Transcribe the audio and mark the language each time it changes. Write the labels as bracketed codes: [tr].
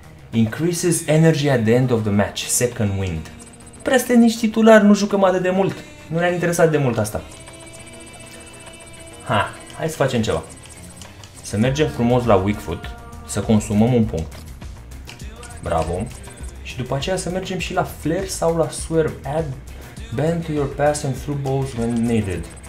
[en] Increases energy at the end of the match, second wind. [ro] Prea suntem nici titular, nu jucăm atât de mult. Nu ne-a interesat de mult asta. Hai să facem ceva. Să mergem frumos la weak foot, să consumăm un punct. Bravo. Și după aceea să mergem și la flare sau la swerve. [en] Add bend to your pass and through balls when needed.